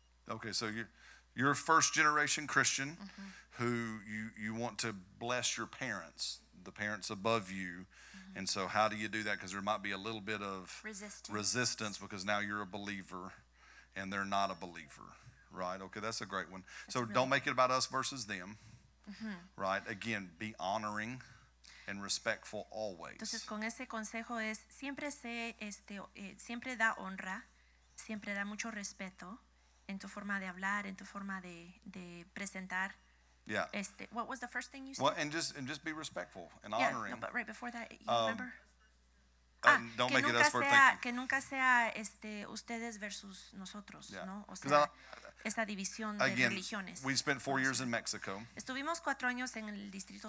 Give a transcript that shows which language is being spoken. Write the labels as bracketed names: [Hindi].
[English] Okay, so you're a first generation Christian, mm-hmm. who you want to bless your parents, the parents above you, mm-hmm. and so how do you do that? Because there might be a little bit of resistance because now you're a believer and they're not a believer, right? Okay, that's a great one. That's so really don't make it about us versus them, mm-hmm. right? Again, be honoring and respectful always. [Spanish] Entonces, con ese consejo es siempre sé siempre da honra, siempre da mucho respeto en tu forma de hablar, en tu forma de presentar. [English] Yeah. What was the first thing you said? Well, and just be respectful and honoring. Yeah, no, but right before that, you remember? Don't make it us for thinking. [Spanish] Que nunca sea ustedes versus nosotros, yeah. ¿no? O sea, esa división [English] again, [Spanish] de religiones. [English] We spent 4 years in Mexico. [Spanish] Estuvimos 4 años en el Distrito